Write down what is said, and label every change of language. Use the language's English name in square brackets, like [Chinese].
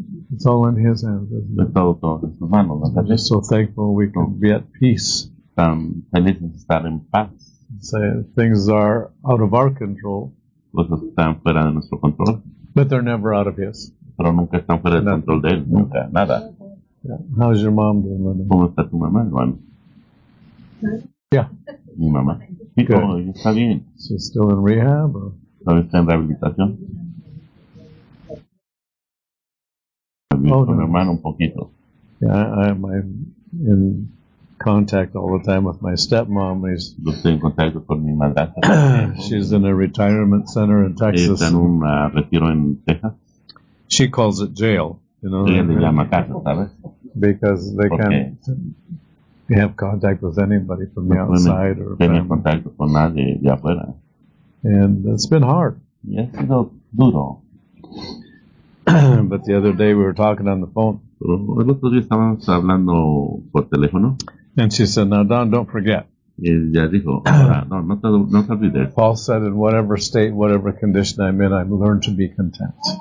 [English] it's all in his hands, isn't it? I'm just so thankful we can be at peace. [Spanish] Tan feliz de estar en paz. [English] Say, things are out of our control. [Spanish] Cosas están fuera de nuestro control. [English] But they're never out of his. [Spanish] Pero nunca están fuera de control de él, nunca, nada. [English] Yeah. How's your mom doing, Linda? [Spanish] ¿Cómo está tu mamá, Juan? [English] Yeah. [Spanish] Mi mamá. Sí, oh, está bien. [English] She's still in rehab, or? [Spanish] ¿Sabes está en rehabilitación? Con mi hermano un poquito. [English] Yeah, I'm in contact all the time with my stepmom. [Spanish] Yo estoy en contacto con mi madrastra. [English] She's in a retirement center in Texas. [Spanish] Ella está en un retiro en Texas. [English] She calls it jail, you know. [Spanish] Ella le llama casa, ¿sabes? [English] Because they can't have contact with anybody from the outside or family. [Spanish] No tiene contacto con nadie de afuera. [English] And it's been hard. Yes, it's duro. But the other day we were talking on the phone. [Spanish] El otro día estábamos hablando por teléfono. [English] And she said, "Now, Don, don't forget." [Spanish] Y ella dijo, no te olvides. [English] Paul said, "In whatever state, whatever condition I'm in, I've learned to be content."